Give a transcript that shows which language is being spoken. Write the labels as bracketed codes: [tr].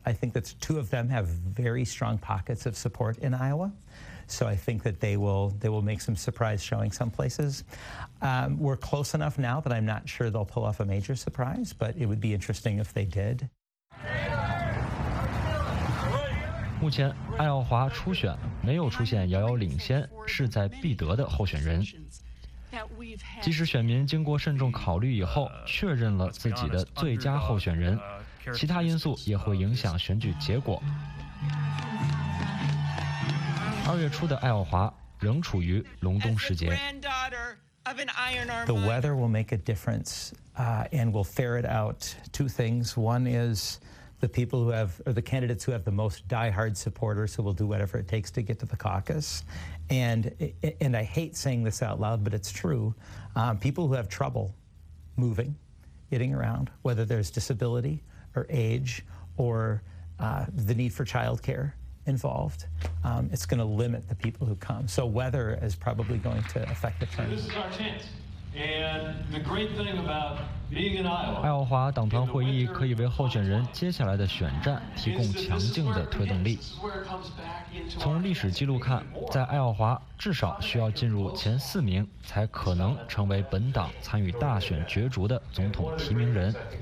[en] I think that two of them have very strong pockets of support in Iowa. So I think that they will make some surprise showing some places. We're close enough now that I'm not sure they'll pull off a major surprise, but it would be interesting if they did. [zh] 目前，爱奥华初选没有出现遥遥领先、势在必得的候选人。即使选民经过慎重考虑以后确认了自己的最佳候选人，其他因素也会影响选举结果。二月初的爱奥华仍处于隆冬时节。 [en] The weather will make a difference, and will ferret out two things. One is the people who have, or the candidates who have the most diehard supporters who will do whatever it takes to get to the caucus. And I hate saying this out loud, but it's true. People who have trouble moving, getting around, whether there's disability or age or the need for childcare. Involved, it's going to limit the people who come. So weather is probably going to affect the turn. This is our chance, and the great thing about being in Iowa. [zh] 爱奥华党团会议可以为候选人接下来的选战提供强劲的推动力。从历史记录看，在爱奥华至少需要进入前四名，才可能成为本党参与大选角逐的总统提名人。